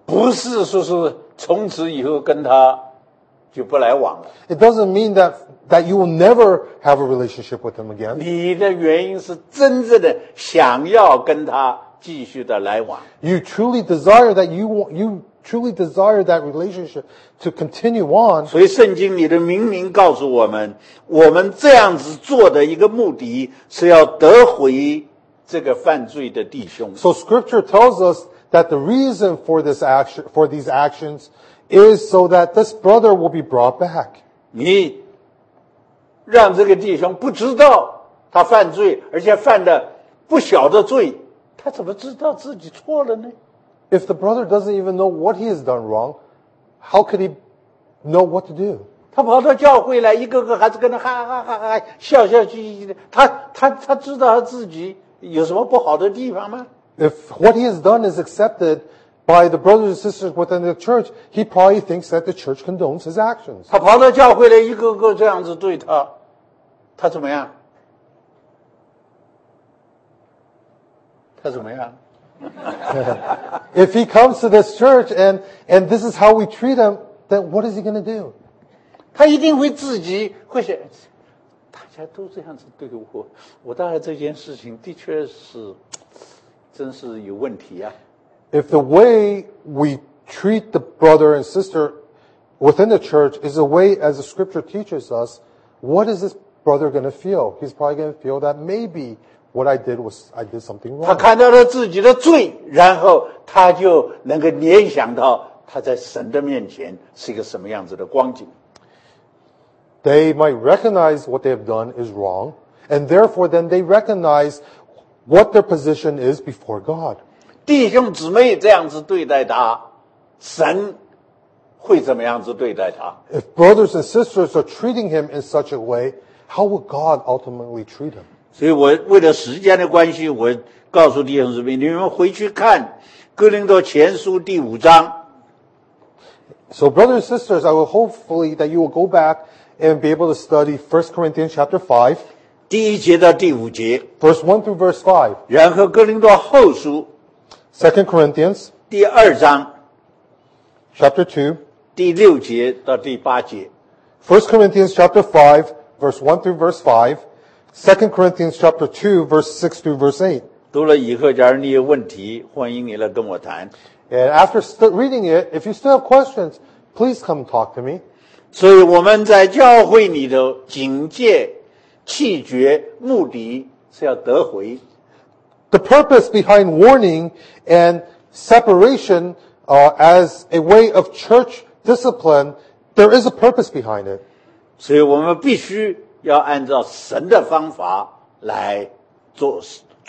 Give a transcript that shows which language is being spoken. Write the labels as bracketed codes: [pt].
[zh] 不是说是从此以后跟他就不来往了。 [en] It doesn't mean that you will never have a relationship with them again. [zh] 你的原因是真正的想要跟他继续的来往。 [en] You truly desire that you truly desire that relationship to continue on. [zh] 所以圣经里的明明告诉我们，我们这样子做的一个目的是要得回这个犯罪的弟兄。 [en] So scripture tells us that the reason for this action, for these actions, is so that this brother will be brought back. [zh] 你让这个弟兄不知道他犯罪，而且犯的不小的罪，他怎么知道自己错了呢？ [en] If the brother doesn't even know what he has done wrong, how could he know what to do? [zh] 他跑到教会来，一个个还是跟他哈哈哈哈笑笑嘻嘻的，他知道他自己有什么不好的地方吗？ [en] If what he has done is accepted by the brothers and sisters within the church, he probably thinks that the church condones his actions. [zh] 他跑到教会来，一个个这样子对他，他怎么样？他怎么样？ [en] If he comes to this church and this is how we treat him, then what is he going to do? [zh] 他一定会自己会想，大家都这样子对我，我当然这件事情的确是，真是有问题啊。 [en] If the way we treat the brother and sister within the church is a way as the scripture teaches us, what is this brother going to feel? He's probably going to feel that maybe. What I did was I did something wrong. [zh] 他看到了自己的罪，然后他就能够联想到他在神的面前是一个什么样子的光景。 [en] They might recognize what they have done is wrong, and therefore then they recognize what their position is before God. [zh] 弟兄姊妹这样子对待他，神会怎么样子对待他？ [en] If brothers and sisters are treating him in such a way, how would God ultimately treat him? [zh] 所以我为了时间的关系，我告诉弟兄姊妹，你们回去看《哥林多前书》第五章。 [en] So, brothers and sisters, I will hopefully that you will go back and be able to study 1 Corinthians chapter 5, [zh] 第一节到第五节 [en] ，verse 1 through verse 5, [zh] 然后《哥林多后书》 [en] ，2 Corinthians [zh] 第二章 [en] ，chapter 2, [zh] 第六节到第八节 [en] ，1 Corinthians chapter 5, verse 1 through verse 5. 2 Corinthians chapter 2, verse 6 through verse 8. [zh] 读了以后，假如你有问题，欢迎你来跟我谈。 [en] And after reading it, if you still have questions, please come talk to me. [zh] 所以我们在教会里头警戒、弃绝、目的是要得回。 [en] The purpose behind warning and separation, as a way of church discipline, there is a purpose behind it. [zh] 所以我们必须要按照神的方法来做事。